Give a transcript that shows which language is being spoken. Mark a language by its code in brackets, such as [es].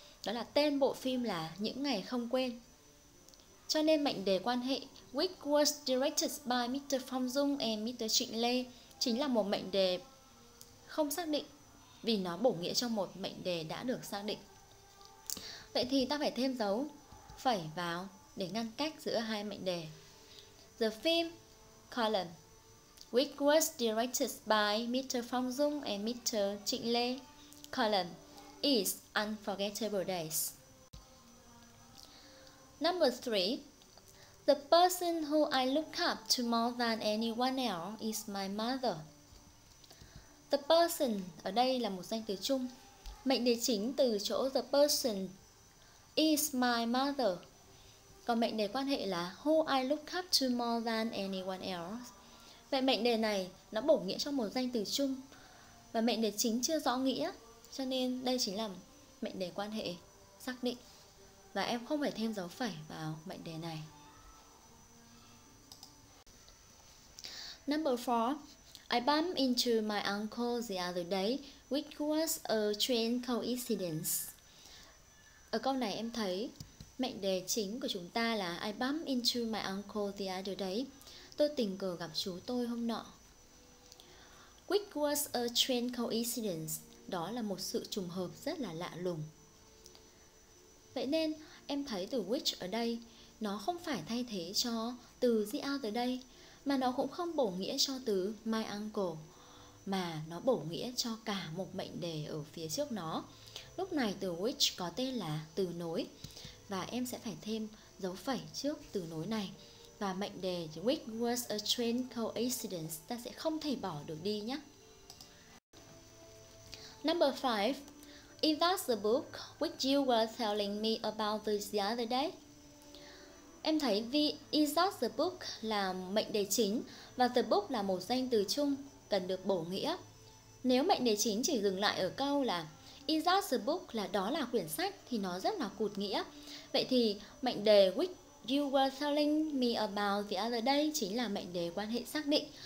[vi] Đó là tên bộ phim là Những Ngày Không Quên. Cho nên mệnh đề quan hệ [en] which was directed by Mr. [vi] Phong Dung and Mr. Trịnh Lê chính là một mệnh đề không xác định vì nó bổ nghĩa cho một mệnh đề đã được xác định. Vậy thì ta phải thêm dấu phẩy vào để ngăn cách giữa hai mệnh đề. [en] The film, colon, which was directed by Mr. Phong Dung and Mr. Trịnh Lê, colon, is Unforgettable Days. Number 3. The person who I look up to more than anyone else is my mother. [vi] The person ở đây là một danh từ chung. Mệnh đề chính từ chỗ [en] the person is my mother. [vi] Còn mệnh đề quan hệ là [en] who I look up to more than anyone else. [vi] Vậy mệnh đề này nó bổ nghĩa cho một danh từ chung và mệnh đề chính chưa rõ nghĩa, cho nên đây chính là mệnh đề quan hệ xác định và em không phải thêm dấu phẩy vào mệnh đề này. [en] Number 4. I bumped into my uncle the other day, which was a train coincidence. [vi] Ở câu này em thấy mệnh đề chính của chúng ta là [en] I bumped into my uncle the other day. [vi] Tôi tình cờ gặp chú tôi hôm nọ. [en] Which was a train coincidence. [vi] Đó là một sự trùng hợp rất là lạ lùng. Vậy nên em thấy từ which ở đây nó không phải thay thế cho từ the other day, mà nó cũng không bổ nghĩa cho từ my uncle, mà nó bổ nghĩa cho cả một mệnh đề ở phía trước nó. Lúc này từ which có tên là từ nối, và em sẽ phải thêm dấu phẩy trước từ nối này. Và mệnh đề [en] which was a train coincidence [vi] ta sẽ không thể bỏ được đi nhé. [en] Number 5. Is that the book which you were telling me about the other day? [vi] Em thấy vì [en] is that the book [vi] là mệnh đề chính và the book là một danh từ chung cần được bổ nghĩa. Nếu mệnh đề chính chỉ dừng lại ở câu là [en] is that the book [vi] là đó là quyển sách thì nó rất là cụt nghĩa. Vậy thì mệnh đề [en] which you were telling me about the other day [vi] chính là mệnh đề quan hệ xác định.